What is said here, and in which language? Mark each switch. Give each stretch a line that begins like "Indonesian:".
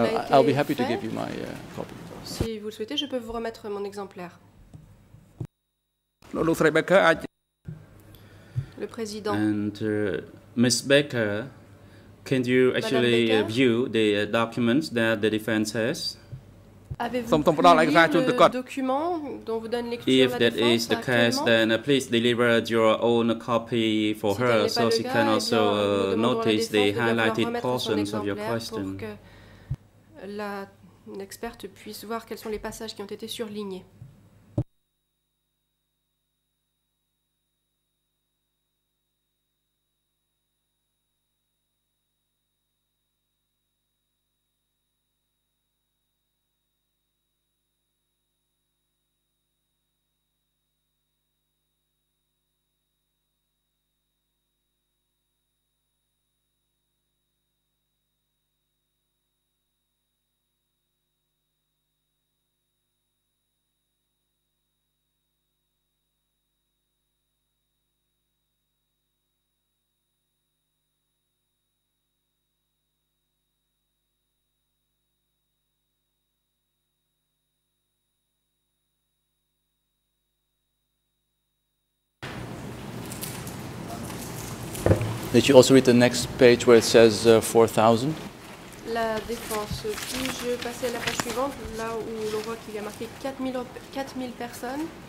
English: I'll be happy to give you my copy.
French: Si vous le souhaitez, je peux vous remettre mon exemplaire. Le président.
English: And Ms. Becker, can you actually view the documents that the defense has? If that is the case, then please deliver your own copy for her so she can also notice the highlighted portions of your question.
French: L'experte puisse voir quels sont les passages qui ont été surlignés.
English: Did you also read the next page where it says 4,000?
French: La défense. Puis je passais à la page suivante, là où l'on voit qu'il y a marqué 4,000 personnes.